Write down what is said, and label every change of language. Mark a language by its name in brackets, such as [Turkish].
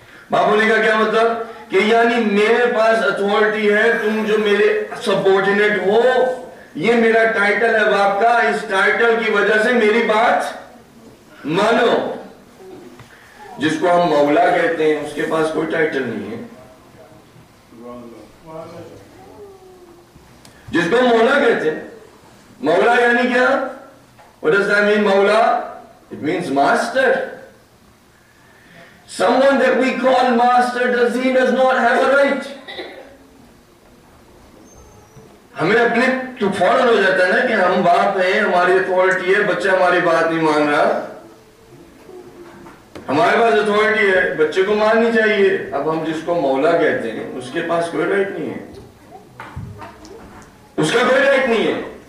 [Urdu] باپ ہونے کا کیا مطلب؟ کہ یعنی میرے پاس اتھارٹی ہے, تم جو میرے سبورڈینیٹ ہو, یہ میرا ٹائٹل ہے باپ کا, اس ٹائٹل کی وجہ سے میری بات مانو. جس کو ہم مولا کہتے ہیں اس کے پاس کوئی ٹائٹل نہیں ہے. جس کو ہم مولا کہتے ہیں, مولا یعنی کیا, [English] what does that mean maula, it means master, someone that we call master does not have a right. [Urdu] ہمیں اپنے تو فوراً ہو جاتا ہے نا کہ ہم باپ ہیں, ہماری اتھارٹی ہے, بچہ ہماری بات نہیں مان رہا. ہمارے پاس اتھارٹی ہے, بچے کو ماننی چاہیے. اب ہم جس کو مولا کہتے ہیں اس کے پاس کوئی رائٹ نہیں ہے, اس کا کوئی رائٹ نہیں ہے.